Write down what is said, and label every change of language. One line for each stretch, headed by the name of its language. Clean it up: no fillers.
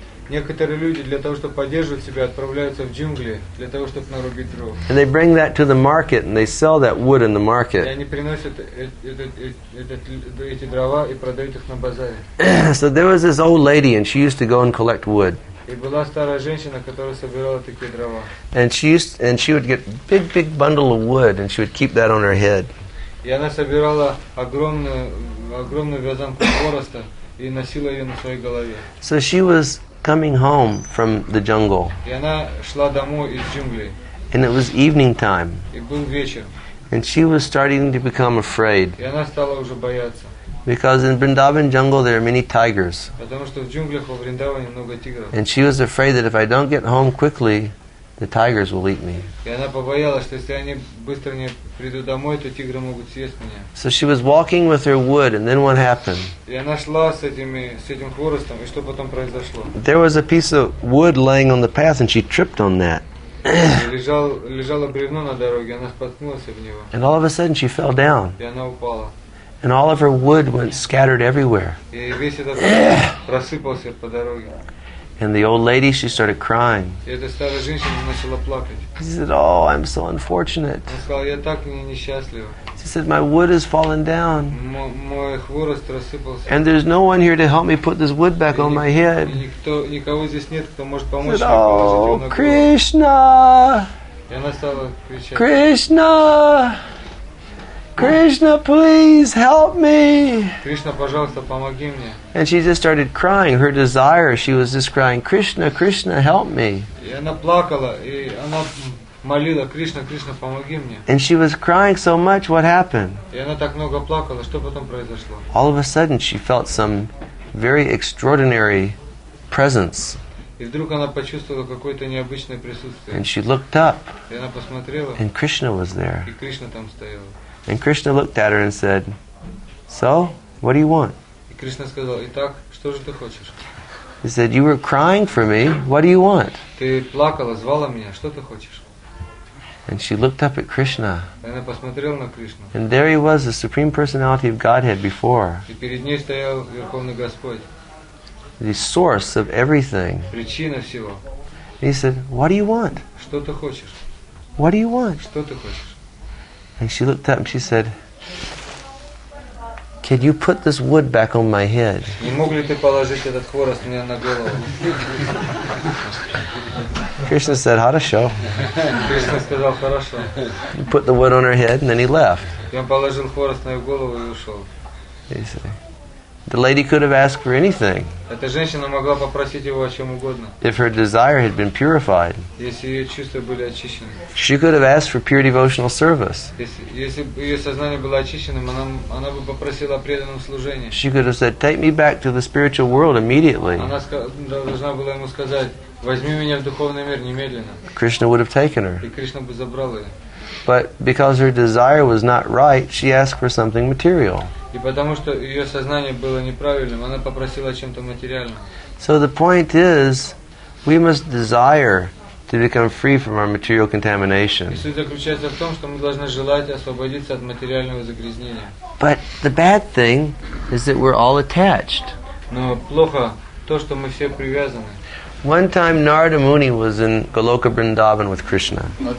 Russian: Некоторые люди для того, чтобы поддерживать себя, отправляются в джунгли для того, чтобы нарубить дров.
English: And they bring that to the market and they sell that wood in the market.
Russian: И они приносят эти дрова и продают их на базаре.
English: So there was this old lady and she used to go and collect wood.
Russian: И была старая женщина, которая собирала такие дрова.
English: And she would get big bundle of wood and she would keep that on her head.
Russian: И она собирала огромную вязанку хвороста и носила ее на своей голове.
English: So she was coming home from the jungle.
Russian: И она шла домой из джунглей.
English: And it was evening time.
Russian: И был вечер.
English: And she was starting to become afraid.
Russian: И она стала уже бояться.
English: Because in Vrindavan jungle there are many tigers.
Russian: Потому что в джунглях во Вриндаване много тигров.
English: And she was afraid that if I don't get home quickly, the tigers will eat me.
Russian: И она побоялась, что если они быстро не приду домой, то тигры могут съесть меня.
English: So she was walking with her wood, and then what happened?
Russian: И она шла с этим хворостом, и что потом произошло?
English: There was a piece of wood laying on the path, and she tripped on that.
Russian: Лежало бревно на дороге, она споткнулась в него.
English: And all of a sudden she fell down.
Russian: И она упала.
English: And all of her wood went scattered everywhere.
Russian: И весь этот рассыпался по дороге.
English: And the old lady, she started crying.
Russian: Эта старая женщина начала плакать.
English: She said, "Oh, I'm so unfortunate."
Russian: Она сказала, я так несчастлива.
English: She said, "My wood has fallen down."
Russian: Мой хворост рассыпался.
English: And there's no one here to help me put this wood back on my head.
Russian: Никого здесь нет, кто может помочь.
English: She said, "Oh, Krishna!"
Russian: И она стала кричать.
English: Krishna! Krishna, please help me.
Russian: Krishna, пожалуйста, помоги мне.
English: And she just started crying. Her desire, she was just crying, Krishna, Krishna, help me.
Russian: И она плакала, и она молила, Krishna, Krishna, помоги мне.
English: And she was crying so much, what happened?
Russian: И она так много плакала, что потом произошло?
English: All of a sudden, she felt some very extraordinary presence.
Russian: И вдруг она почувствовала какое-то необычное присутствие.
English: And she looked up.
Russian: И она посмотрела.
English: And Krishna was there.
Russian: И Krishna там стоял.
English: And Krishna looked at her and said, "So, what do you want?"
Russian: И Кришна сказал: "Итак, что же ты хочешь?"
English: He said, "You were crying for me. What do you want?"
Russian: Ты плакала, звала меня. Что ты хочешь?
English: And she looked up at Krishna.
Russian: Она посмотрела на Кришну.
English: And there he was, the supreme personality of Godhead before.
Russian: И перед ней стоял Верховный Господь.
English: The source of everything.
Russian: Причина всего.
English: And he said, "What do you want?"
Russian: Что ты хочешь?
English: What do you want?
Russian: Что ты хочешь?
English: And she looked up and she said, "Can you put this wood back on my head?"
Russian: Не мог ли ты положить этот хворост мне на голову?
English: Krishna said,
Russian: "Хорошо." Krishna сказал, "Хорошо."
English: He put the wood on her head and then he left.
Russian: И он положил хворост на ее голову и ушел.
English: He said, The lady could have asked for anything.
Russian: Эта женщина могла попросить его о чем угодно.
English: If her desire had been purified.
Russian: Если ее чувства были очищены.
English: She could have asked for pure devotional service.
Russian: Если ее сознание было очищенным, она бы попросила о преданном служении.
English: She could have said, "Take me back to the spiritual world immediately."
Russian: Она должна была ему сказать, возьми меня в духовный мир немедленно.
English: Krishna would have taken her.
Russian: И Кришна бы забрал ее.
English: But because her desire was not right, she asked for something material.
Russian: И потому что ее сознание было неправильным, она попросила о чем-то материальном.
English: So the point is, we must desire to become free from our material contamination.
Russian: И суть заключается в том, что мы должны желать освободиться от материального загрязнения.
English: But the bad thing is that we're all attached.
Russian: Но плохо то, что мы все привязаны.
English: One time Narada Muni was in Goloka Vrindavan with Krishna.